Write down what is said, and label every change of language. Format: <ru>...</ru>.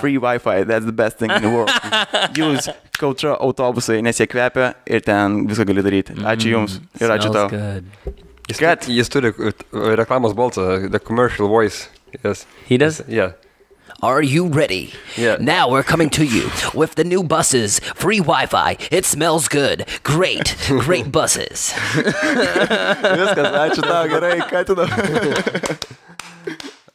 <en>Free Wi-Fi, that's the best thing in the world.</en> <lt>Use Kautra autobusai, nes jie kvepia ir ten viską gali daryti. Ačiū jums ir ačiū tau. Jis, kad? Jis turi reklamos balsą,</lt> <en>the commercial voice. Yes. He does? Yeah. Are you ready? Yeah. Now we're coming to you with the new buses, free Wi-Fi. It smells good. Great, great buses.</en> <lt>Viskas, ačiū tau, gerai, ką tu dabar?</lt>